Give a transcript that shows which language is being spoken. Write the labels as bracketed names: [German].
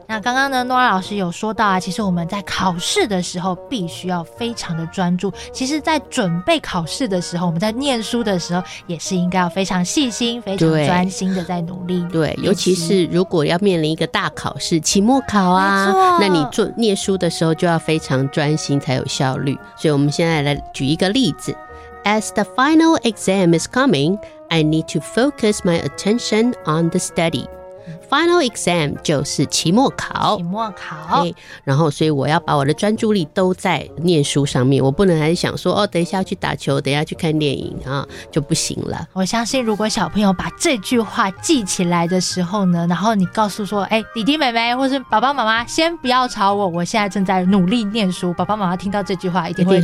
[Chinese] 那刚刚呢，诺拉老师有说到啊，其实我们在考试的时候必须要非常的专注，其实在准备考试的时候，我们在念书的时候也是应该要非常细心、非常专心的在努力。对，尤其是如果要面临一个大考试，期末考啊，那你做念书的时候就要非常专心才有效率。所以我们现在来举一个例子。 [English] As the final exam is coming, I need to focus my attention on the study. Final exam [Chinese] 就是期末考。期末考。 [English] Okay, [Chinese] 然后所以我要把我的专注力都在念书上面，我不能还想说，哦，等一下去打球，等一下去看电影，啊，就不行了。我相信如果小朋友把这句话记起来的时候呢，然后你告诉说，哎，弟弟妹妹或是爸爸妈妈先不要吵我，我现在正在努力念书，爸爸妈妈听到这句话一定会